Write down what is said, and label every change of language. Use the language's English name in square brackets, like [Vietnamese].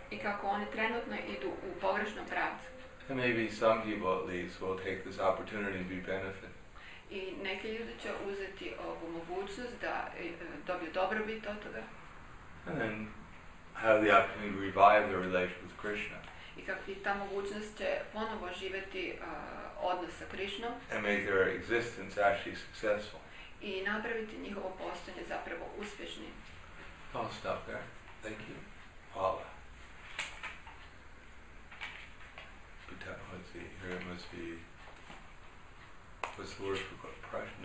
[Croatian] I kako oni trenutno idu u pogrešnom pravcu. [English] And maybe some people at least will take this opportunity to be benefited. [Croatian] I neki ljudi će uzeti ovu mogućnost da dobiju dobrobit od toga. [English] And then have the opportunity to revive their relationship with Krishna. [Croatian] I kako ta mogućnost će ponovo živjeti odnos sa Krishnom. [English] And make their existence actually successful. [Croatian] I napraviti njihovo postojanje zapravo uspješnim. [English] I'll stop there. Thank you. Voila. Let's see, here it must be, what's the word for question?